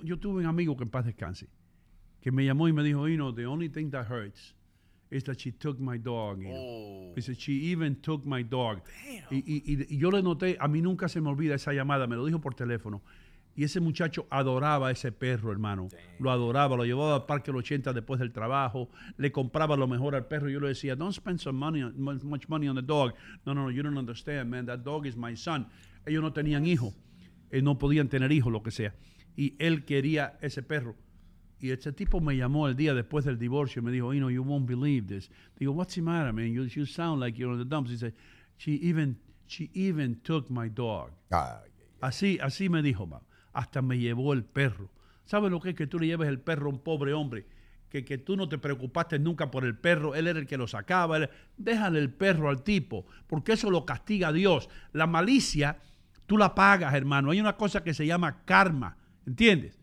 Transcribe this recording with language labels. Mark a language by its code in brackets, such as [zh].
[es] Yo tuve un amigo que en paz descanse, que me llamó y me dijo, Ino, [en] the only thing that hurts is that she took my dog. Oh. She even took my dog. Damn. [es] Y yo le noté, a mí nunca se me olvida esa llamada, me lo dijo por teléfono. Y ese muchacho adoraba a ese perro, hermano. [en] Damn. [es] Lo adoraba, lo llevaba al parque los 80 después del trabajo, le compraba lo mejor al perro. Yo le decía, [en] don't spend some money, much money on the dog. No, you don't understand, man, that dog is my son. [es] Ellos no tenían hijos, no podían tener hijos, lo que sea. Y él quería ese perro. Y este tipo me llamó el día después del divorcio y me dijo, [en] you know, you won't believe this. [es] Digo, [en] what's the matter, man? You sound like you're in the dumps. He said, she even took my dog. [es] Así me dijo, ma. Hasta me llevó el perro. ¿Sabes lo que es que tú le lleves el perro a un pobre hombre? Que tú no te preocupaste nunca por el perro. Él era el que lo sacaba. Déjale el perro al tipo, porque eso lo castiga a Dios. La malicia, tú la pagas, hermano. Hay una cosa que se llama karma, ¿entiendes?